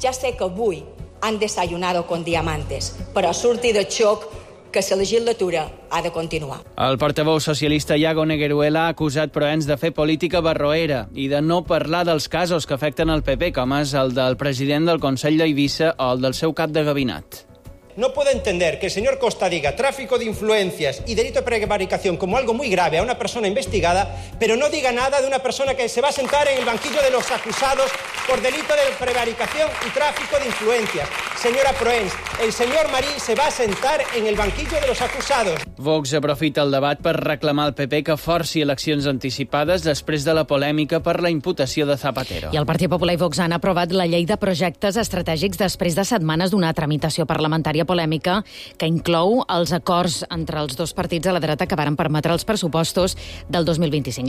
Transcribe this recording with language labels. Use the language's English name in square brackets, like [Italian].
[Catalan] Ja sé que avui [Spanish] han desayunado con diamantes, [Catalan] però surti de xoc que la legislatura ha de continuar. El portaveu socialista Iago Negueruela ha acusat Proens de fer política barroera i de no parlar dels casos que afecten el PP, com és el del president del Consell d'Eivissa o el del seu cap de gabinet. [Spanish] No puedo entender que el señor Costa diga tráfico de influencias y delito de prevaricación como algo muy grave a una persona investigada, pero no diga nada de una persona que se va a sentar en el banquillo de los acusados por delito de prevaricación y tráfico de influencias. Señora Proens, el señor Marín se va a sentar en el banquillo de los acusados. [Catalan] Vox aprofita el debat per reclamar al PP que forci eleccions anticipades després de la polèmica per la imputació de Zapatero. I el Partit Popular i Vox han aprovat la llei de projectes estratègics després de setmanes d'una tramitació parlamentària polèmica que inclou els acords entre els dos partits de la dreta que varen permetre els pressupostos del 2025.